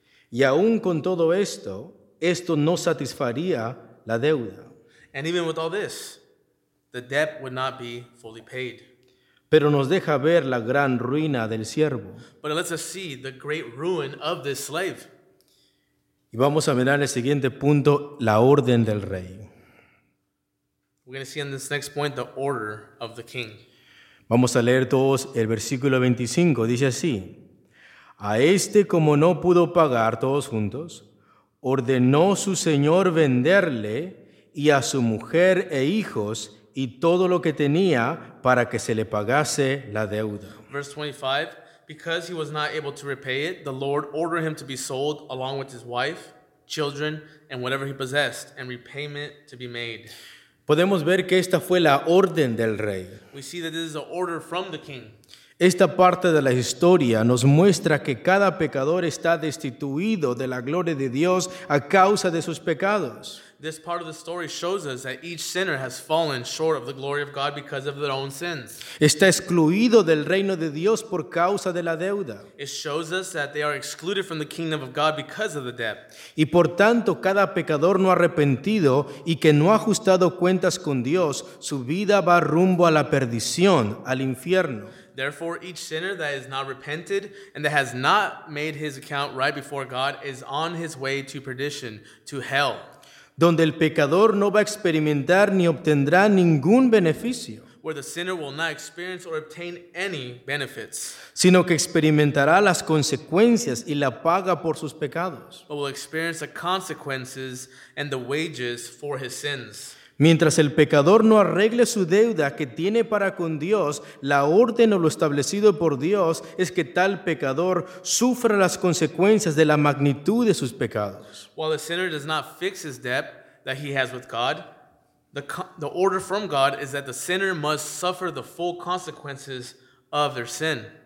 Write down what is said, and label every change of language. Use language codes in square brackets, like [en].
[es] Y aún con todo esto, esto no satisfaría la deuda. [en] And even with all this, the debt would not be fully paid. [es] Pero nos deja ver la gran ruina del siervo. [en] But it lets us see the great ruin of this slave. [es] Y vamos a mirar el siguiente punto, la orden del rey. [en] We're going to see in this next point the order of the king. [es] Vamos a leer todos el versículo 25, dice así: A este, como no pudo pagar, todos juntos, ordenó su señor venderle y a su mujer e hijos y todo lo que tenía para que se le pagase la deuda. [en] Verse 25, because he was not able to repay it, the Lord ordered him to be sold along with his wife, children, and whatever he possessed, and repayment to be made. [es] Podemos ver que esta fue la orden del rey. [en] We see that this is an order from the king. [es] Esta parte de la historia nos muestra que cada pecador está destituido de la gloria de Dios a causa de sus pecados. [en] This part of the story shows us that each sinner has fallen short of the glory of God because of their own sins. [es] Está excluido del reino de Dios por causa de la deuda. [en] It shows us that they are excluded from the kingdom of God because of the debt. [es] Y por tanto, cada pecador no arrepentido y que no ha ajustado cuentas con Dios, su vida va rumbo a la perdición, al infierno. [en] Therefore, each sinner that is not repented and that has not made his account right before God is on his way to perdition, to hell. [es] Donde el pecador no va a experimentar ni obtendrá ningún beneficio. [en] Where the sinner will not experience or obtain any benefits. [es] Sino que experimentará las consecuencias y la paga por sus pecados. [en] But will experience the consequences and the wages for his sins. [es] Mientras el pecador no arregle su deuda que tiene para con Dios, la orden o lo establecido por Dios es que tal pecador sufra las consecuencias de la magnitud de sus pecados. [en] While the sinner does not fix his debt that he has with God, the order from God is that the sinner must suffer the full consequences of their sin.